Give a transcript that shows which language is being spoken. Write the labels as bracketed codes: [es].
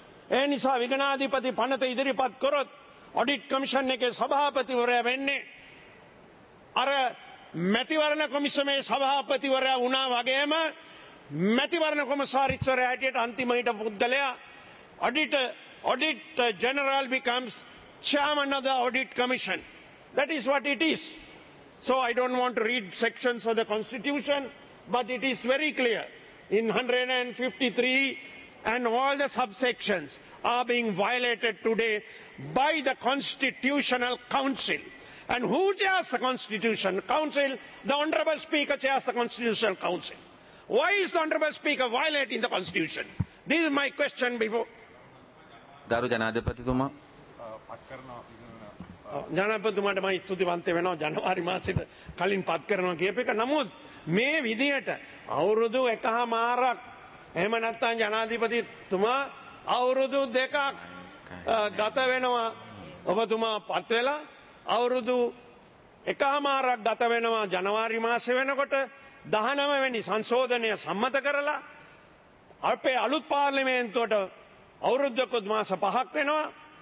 [si] ඒ නිසා විගණනාධිපති පනත ඉදිරිපත් කරොත් ඔඩිට් කමිෂන් එකේ සභාපතිවරයා වෙන්නේ අර මැතිවරණ කොමිසමේ සභාපතිවරයා වුණා වගේම මැතිවරණ කොමසාරිස්වරයා හැටියට අන්තිම හිට පුද්ගලයා [en] Audit general becomes chairman of the audit commission. That is what it is. So I don't want to read sections of the constitution, but it is very clear. In 153 and all the subsections are being violated today by the constitutional council. And who chairs the constitution council? The honorable speaker chairs the constitutional council. Why is the honorable speaker violating the constitution? This is my question before. [si] Daru Janadhipathithuma. ජනාධිපතිතුමාට මම ස්තුතිවන්ත වෙනවා ජනවාරි මාසෙට කලින් පත් කරනවා කියපේක. නමුත් මේ විදිහට අවුරුදු එකහමාරක් එහෙම නැත්නම් ජනාධිපතිතුමා අවුරුදු දෙකක් ගත වෙනවා ඔබතුමා පත් වෙලා අවුරුදු එකහමාරක් ගත වෙනවා ජනවාරි මාසෙ වෙනකොට 19 වෙනි සංශෝධනය සම්මත කරලා අපේ අලුත් පාර්ලිමේන්තුවට අවුරුද්දක මාස 5ක් වෙනවා.